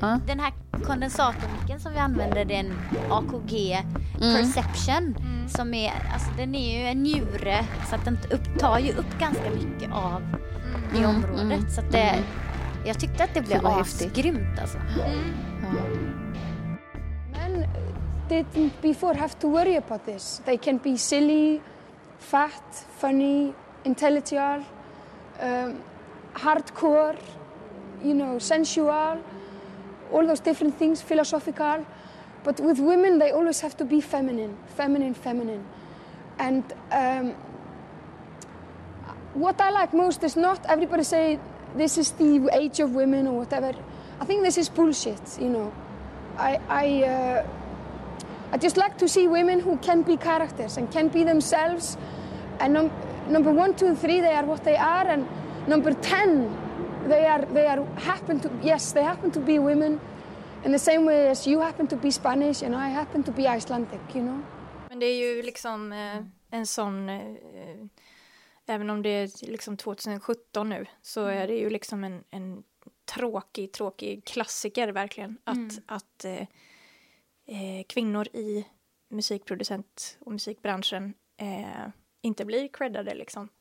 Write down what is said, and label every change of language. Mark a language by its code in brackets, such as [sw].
[sv] Den här kondensatormicken som vi använder, det är en AKG Perception som är, alltså den är ju en njure, så att den tar ju upp ganska mycket av i området, så att det, jag tyckte att det blev asgrymt alltså. [en] Men didn't before have to worry about this. They can be silly, fat, funny, intellectual, hardcore, you know, sensual, all those different things, philosophical. But with women, they always have to be feminine, feminine, feminine. And what I like most is not everybody say this is the age of women or whatever. I think this is bullshit, you know. I just like to see women who can be characters and can be themselves. And number one, two, three, they are what they are. And number 10, they happen to be women. In the same way as you happen to be Spanish and I happen to be Icelandic, you know? [sv] Men det är ju liksom en sån, även om det är liksom 2017 nu, så är det ju liksom en tråkig klassiker verkligen. Att kvinnor i musikproducent- och musikbranschen inte blir creddade liksom.